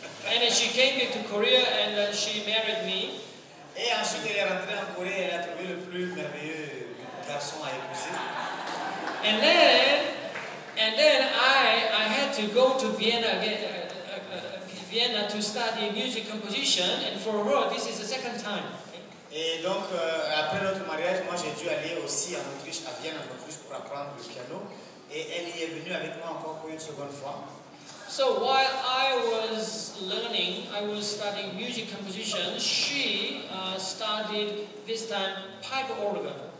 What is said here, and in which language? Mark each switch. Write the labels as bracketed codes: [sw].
[en] And then she came to Korea and she married me. [fr] Et ensuite, elle est rentrée en Corée et elle a trouvé le plus merveilleux garçon à épouser. [en] And then I had to go to Vienna again, Vienna to study music composition, and for her, this is the second time. [fr] Et donc, après notre mariage, moi j'ai dû aller aussi en Autriche, à Vienne en Autriche, pour apprendre le piano. Et elle y est venue avec moi encore pour une seconde fois. [en] So while I was learning, I was studying music composition, she studied this time pipe organ.